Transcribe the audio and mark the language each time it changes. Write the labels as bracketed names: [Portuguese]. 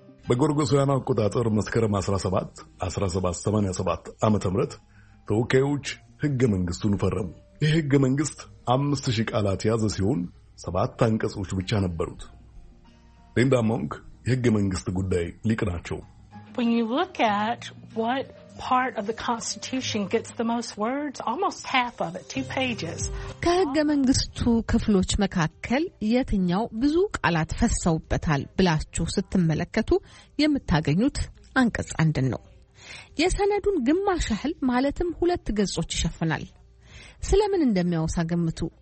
[Amharic] በጎርጎሳውያን አቆጣጠር መስከረም 17 ዓመተ ምህረት ተወካዮች ህገ መንግስቱን ፈረሙ። ይህ ህገ መንግስት 5000 ቃላት ያዘ ሲሆን 7 አንቀጾች ብቻ ነበሩት። ሊንዳ ሞንክ የህገ መንግስት ጉዳይ ሊቅ ናቸው። [English] When you look at what part of the constitution gets the most words, almost half of it, 2 pages. [Amharic] ከህገ መንግስቱ ክፍሎች መካከል የትኛው ብዙ ቃላት ፈሰውበታል ብላችሁ ስትመለከቱ የምታገኙት አንቀጽ አንድ ነው። የሰነዱን ግማሽ ያህል ማለትም 2 ገጾች ይሸፍናል። ስለምን እንደሚያወሳ ገምቱ።